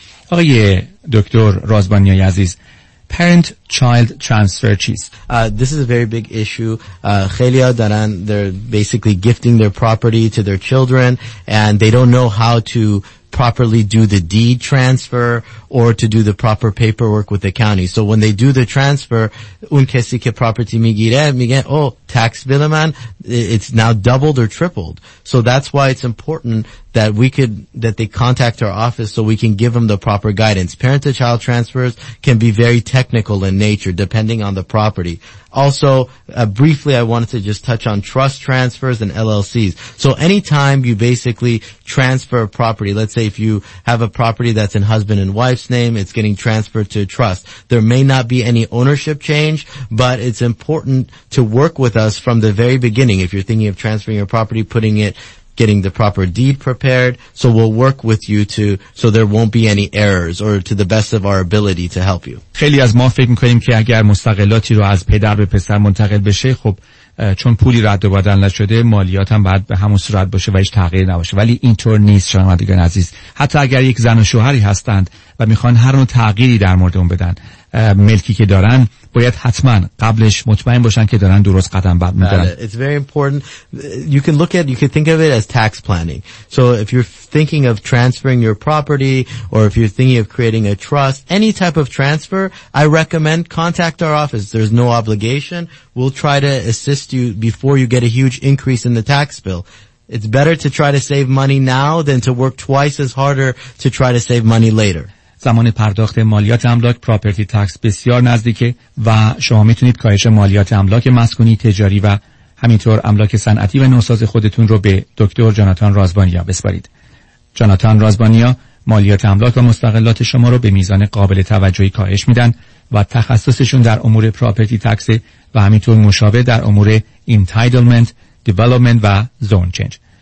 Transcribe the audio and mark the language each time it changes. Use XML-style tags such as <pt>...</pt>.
<fa>آقای دکتر رازبانی عزیز، parent child transfer چیست؟</fa> <en>This is a very big issue.</en> <fa>خیلی‌ها دارن</fa> <en>they're basically gifting their property to their children and they don't know how to properly do the deed transfer or to do the proper paperwork with the county. So when they do the transfer,</en> <fa>اون کسی که property میگیره میگه</fa> <en>oh, tax bill man, it's now doubled or tripled. So that's why it's important that we could that they contact our office so we can give them the proper guidance. Parent to child transfers can be very technical in nature depending on the property. Also, briefly, I wanted to just touch on trust transfers and LLCs. So anytime you basically transfer a property, let's say if you have a property that's in husband and wife's name, it's getting transferred to a trust. There may not be any ownership change, but it's important to work with us from the very beginning. If you're thinking of transferring your property, putting it, getting the proper deed prepared, so we'll work with you to so there won't be any errors or to the best of our ability to help you.</en> <fa>خیلی از ما فکر می‌کنیم که اگر مستغلاتی رو از پدر به پسر منتقل بشه، خب چون پولی رد و بدل نشده، مالیات هم باید به همون صورت باشه و هیچ تغییر نباشه، ولی اینطور نیست شنوندگان عزیز. حتی اگر یک زن و شوهری هستند و میخوان هر نوع تغییری در مورد اون بدن، ملکی که دارن، باید حتما قبلش مطمئن باشن که دارن درست قدم برمیدارن.</fa> <en>It's very important. You can look at, you can think of it as tax planning. So if you're thinking of transferring your property or if you're thinking of creating a trust, any type of transfer, I recommend contact our office. There's no obligation. We'll try to assist you before you get a huge increase in the tax bill. It's better to try to save money now than to work twice as harder to try to save money later.</en> <fa>زمان پرداخت مالیات املاک پراپرتی تکس بسیار نزدیکه و شما میتونید کاهش مالیات املاک مسکونی، تجاری و همینطور املاک صنعتی و نوساز خودتون رو به دکتر جاناتان رازبانیا بسپارید. جاناتان رازبانیا مالیات املاک و مستغلات شما رو به میزان قابل توجهی کاهش میدن و تخصصشون در امور پراپرتی تکس و همینطور مشابه در امور انتایتلمنت، دیولپمنت و زون چنج.</fa>